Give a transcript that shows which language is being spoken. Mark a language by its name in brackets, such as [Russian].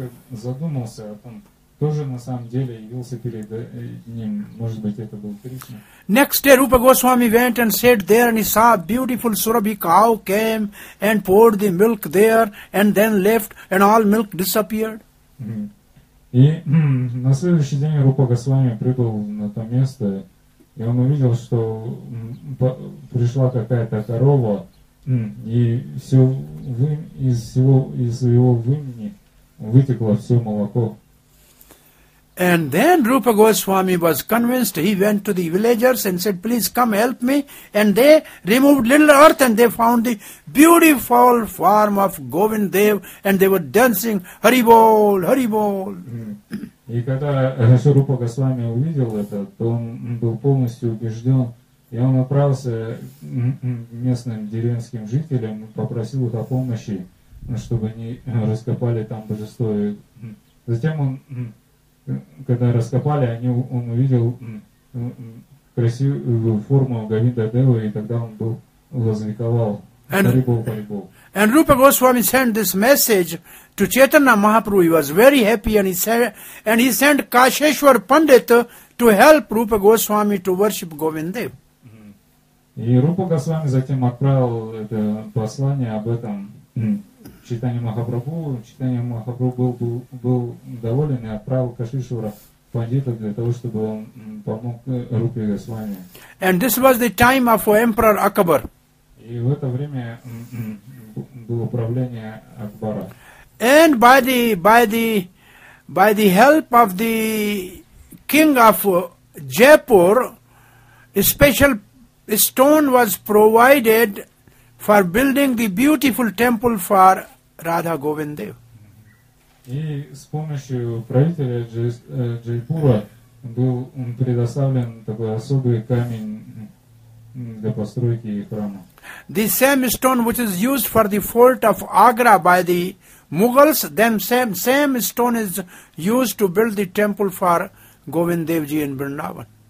[Russian] Задумался о том, тоже на самом деле явился перед ним, может быть, это был Кришна. [English] Next day, Rupa Goswami went and sat there and he saw beautiful Surabhi cow came and poured the milk there and then left and all milk disappeared. [Russian] И на следующий день Рупа Госвами прибыл на то место, и он увидел, что пришла какая-то корова, и все из его вымени вытекло все молоко. [English] And then Rupa Goswami was convinced. He went to the villagers and said, please come help me. And they removed little earth and they found the beautiful form of Govindadev and they were dancing, Hari Bol, Hari Bol. [Russian] И когда Рупа Госвами увидел это, то он был полностью убежден. И он отправился местным деревенским жителям и попросил их о помощи, чтобы они раскопали там божество. Затем он... Когда раскопали, он увидел красивую форму Говиндадева, и тогда он был возликовал. [English] And Rupa Goswami sent this message to Chaitanya Mahaprabhu. He was very happy, and he sent Kasheshwar Pandit to help Rupa Goswami to worship Govindadev. [Russian] И Рупа Госвами затем отправил это послание об этом Чайтанья Махапрабху. Чайтанья Махапрабху был доволен и отправил Кашишвара Пандита для того, чтобы он помог Рупе Госвами. [English] And this was the time of Emperor Akbar. [Russian] И в это время было правление Акбара. [English] And by the help of the king of Jaipur, a special stone was provided for building the beautiful temple for Radha Govindadev. [Russian] И с помощью правителя Джайпура был предоставлен такой особый камень для постройки храма. [English] The same stone which is used for the fort of Agra by the Mughals, then same stone is used to build the temple for Govindadev ji in Vrindavan.